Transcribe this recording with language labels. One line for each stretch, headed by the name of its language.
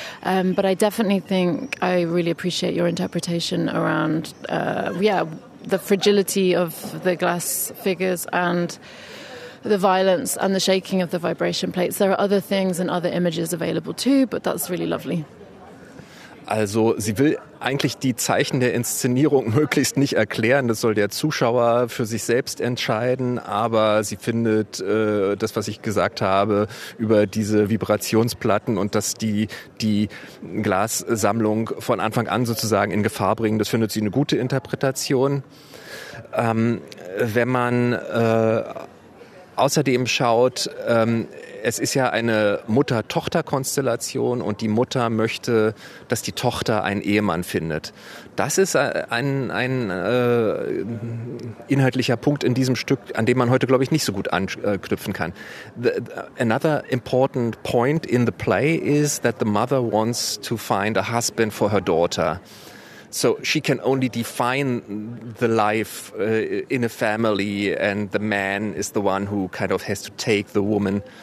English: But I definitely think I really appreciate your interpretation around the fragility of the glass figures and the violence and the shaking of the vibration plates. There are other things and other images available too, but that's really lovely.
German: Also, sie will eigentlich die Zeichen der Inszenierung möglichst nicht erklären. Das soll der Zuschauer für sich selbst entscheiden. Aber sie findet das, was ich gesagt habe über diese Vibrationsplatten und dass die Glassammlung von Anfang an sozusagen in Gefahr bringen, das findet sie eine gute Interpretation. Wenn man außerdem schaut, es ist ja eine Mutter-Tochter-Konstellation und die Mutter möchte, dass die Tochter einen Ehemann findet. Das ist ein inhaltlicher Punkt in diesem Stück, an dem man heute, glaube ich, nicht so gut anknüpfen kann.
English: Another important point in the play is that the mother wants to find a husband for her daughter. So she can only define the life in a family, and the man is the one who kind of has to take the woman.